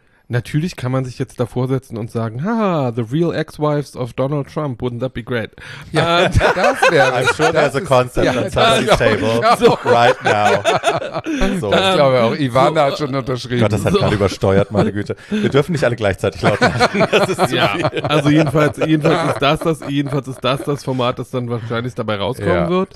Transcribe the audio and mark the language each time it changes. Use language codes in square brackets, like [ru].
[de] Natürlich kann man sich jetzt davor setzen und sagen, haha, [en] the real ex-wives of Donald Trump, wouldn't that be great? [de] Ja, das wäre, [en] I'm sure there's a concept on somebody's table right now. [de] So. Das glaube ich auch. Ivana hat schon unterschrieben. Gott, das hat gerade übersteuert, meine Güte. Wir dürfen nicht alle gleichzeitig laut machen. Also jedenfalls ist das Format, das dann wahrscheinlich dabei rauskommen wird.